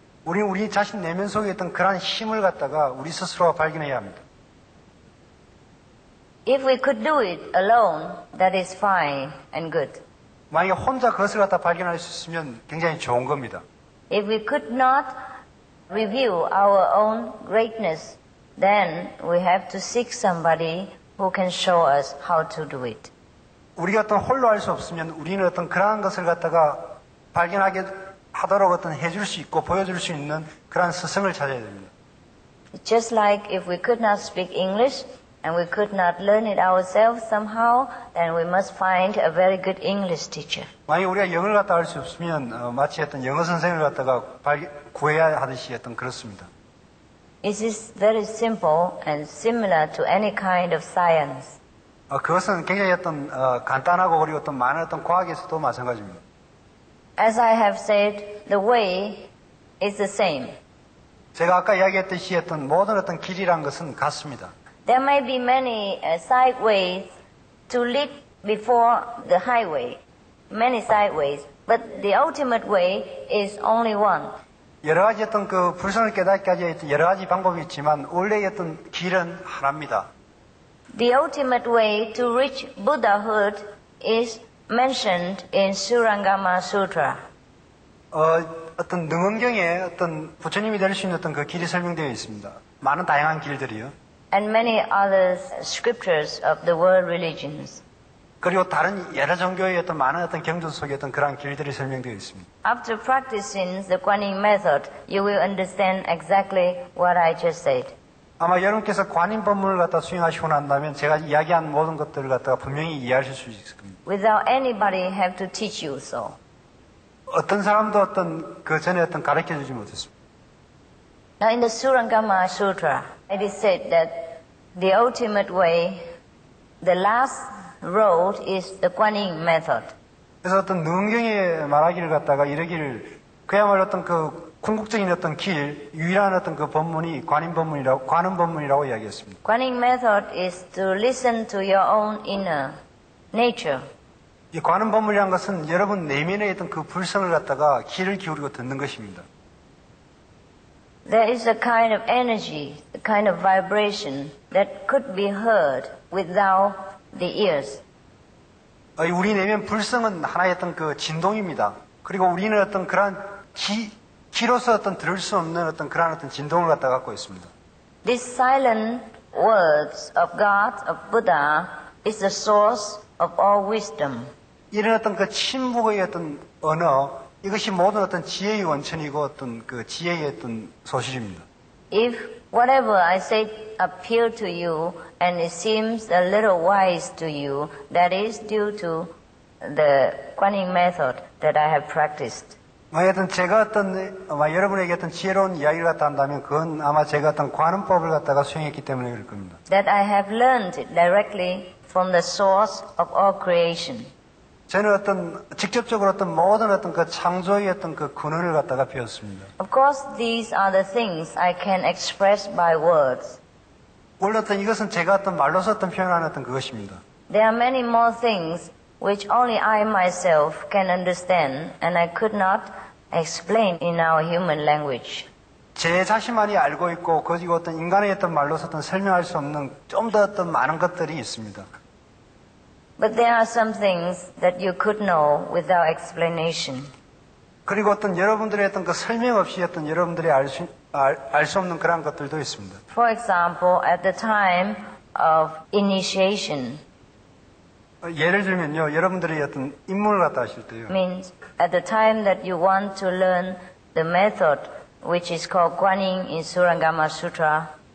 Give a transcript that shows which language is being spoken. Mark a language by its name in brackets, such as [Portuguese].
[Korean] 우리는 우리 자신 내면 속에 어떤 그런 힘을 갖다가 우리 스스로 발견해야 합니다. [English] If we could do it alone, that is fine and good. [Korean] 만약에 혼자 그것을 갖다 발견할 수 있으면 굉장히 좋은 겁니다. [English] If we could not reveal our own greatness, then we have to seek somebody who can show us how to do it. [Korean] 우리가 어떤 홀로 할 수 없으면 우리는 어떤 그러한 것을 갖다가 발견하게 하도록 어떤 해줄 수 있고 보여줄 수 있는 그런 스승을 찾아야 됩니다. [English] Just like if we could not speak English, and we could not learn it ourselves somehow, then we must find a very good English teacher. [Korean] 만약 우리가 영어를 갖다 할 수 없으면 마치 어떤 영어 선생을 갖다가 구해야 하듯이 어떤 그렇습니다. [English] It is very simple and similar to any kind of science. [Korean] 그것은 굉장히 어떤 간단하고 그리고 어떤 많은 어떤 과학에서도 마찬가지입니다. [English] As I have said, the way is the same. [Korean] 제가 아까 이야기했듯이 어떤 모든 어떤 길이란 것은 같습니다. [English] There may be many sideways to lead before the highway. Many sideways, but the ultimate way is only one. [Korean] 여러 가지 어떤 그 불성을 깨닫기까지 여러 가지 방법이 있지만 원래 어떤 길은 하나입니다. [English] The ultimate way to reach Buddhahood is mentioned in Surangama Sutra. [Korean] 어떤 능엄경에 어떤 부처님이 될 수 있는 어떤 그 길이 설명되어 있습니다. 많은 다양한 길들이요. [English] And many other scriptures of the world religions. [Korean] 그리고 다른 여러 종교의 어떤 많은 어떤 경전 속에 어떤 그런 길들이 설명되어 있습니다. [English] After practicing the Guanyin method, you will understand exactly what I just said. [Korean] 아마 여러분께서 관인 법문을 갖다 수행하시고 난다면 제가 이야기한 모든 것들을 갖다가 분명히 이해하실 수 있을 겁니다. [English] Without anybody have to teach you so. [Korean] 어떤 사람도 어떤 그 전에 어떤 가르쳐 주지 못했습니다. [English] Now in the Surangama Sutra, it is said that the ultimate way, the last road is the Guanyin method. [Korean] 그래서 어떤 능경에 말하기를 갖다가 이르기를 그야말로 어떤 그 궁극적인 어떤 길, 유일한 어떤 그 법문이 관인 법문이라고, 관음 법문이라고 이야기했습니다. [English] Guanyin method is to listen to your own inner nature. [Korean] 이 관음 법문이라는 것은 여러분 내면에 있던 그 불성을 갖다가 귀를 기울이고 듣는 것입니다. [English] There is a kind of energy, a kind of vibration that could be heard without the ears. [Korean] 우리 내면 불성은 하나의 어떤 그 진동입니다. 그리고 우리는 어떤 그러한 귀로서 어떤 들을 수 없는 어떤 그러한 어떤 진동을 갖다 갖고 있습니다. [English] These silent words of God, of Buddha, is the source of all wisdom. [Korean] 이런 어떤 그 침묵의 어떤 언어, 이것이 모든 어떤 지혜의 원천이고 어떤 그 지혜의 어떤 소실입니다. [English] If whatever I say appear to you and it seems a little wise to you, that is due to the Guanyin method that I have practiced. [Korean] 만약 제가 어떤 여러분에게 어떤 지혜로운 이야기를 갖다 한다면 그건 아마 제가 어떤 관음법을 갖다가 수행했기 때문에 그럴 겁니다. [English] That I have learned directly from the source of all creation. [Korean] 저는 어떤 직접적으로 어떤 모든 어떤 그 창조의 어떤 그 근원을 갖다가 배웠습니다. [English] Of course, these are the things I can express by words. [Korean] 원래 어떤 이것은 제가 어떤 말로서 어떤 표현하는 어떤 그것입니다. [English] There are many more things which only I myself can understand and I could not explain in our human language. [Korean] 제 자신만이 알고 있고 그것이 어떤 인간의 어떤 말로서 어떤 설명할 수 없는 좀 더 어떤 많은 것들이 있습니다. [English] But there are some things that you could know without explanation. [Korean] 그리고 어떤 여러분들의 어떤 그 설명 없이 어떤 여러분들이 알 수 없는 그런 것들도 있습니다. [English] For example, at the time of initiation. [Korean] 예를 들면요, 여러분들이 어떤 입문을 갖다 하실 때요. [English] Means at the time that you want to learn the method which is called Guanyin in Surangama Sutra.